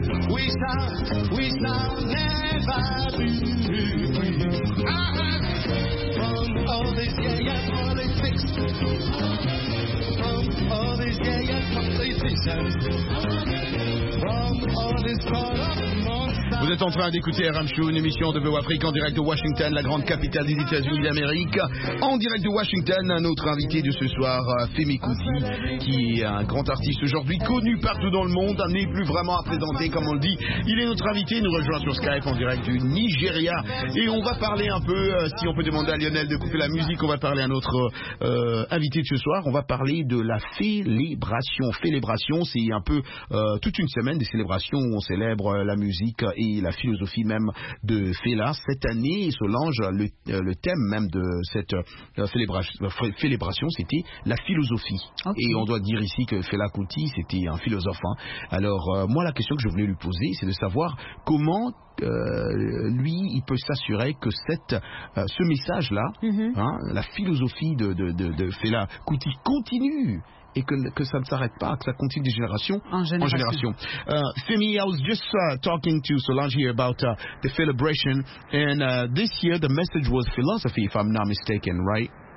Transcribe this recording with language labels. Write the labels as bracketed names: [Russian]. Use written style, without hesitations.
[English] We shall never be free from all this gay politics, from all this gay politics, from all this corrupt. [French] Vous êtes en train d'écouter RM Show, une émission de VO Afrique en direct de Washington, la grande capitale des États-Unis d'Amérique. En direct de Washington, un autre invité de ce soir, Femi Kuti, qui est un grand artiste aujourd'hui, connu partout dans le monde, n'est plus vraiment à présenter, comme on le dit. Il est notre invité, nous rejoint sur Skype en direct du Nigeria. Et on va parler un peu, si on peut demander à Lionel de couper la musique, on va parler à notre invité de ce soir. On va parler de la célébration. Célébration, c'est un peu toute une semaine des célébrations où on célèbre la musique et la philosophie même de Fela. Cette année, Solange, le thème même de cette célébration, c'était la philosophie. Okay. Et on doit dire ici que Fela Kuti, c'était un philosophe. Hein. Alors, moi, la question que je voulais lui poser, c'est de savoir comment lui, il peut s'assurer que ce message-là, hein, la philosophie de Fela Kuti, continue et que ça ne s'arrête pas, que ça continue des générations en génération. [English] Femi, I was just talking to Solange here about the celebration, and this year the message was philosophy, if I'm not mistaken, right?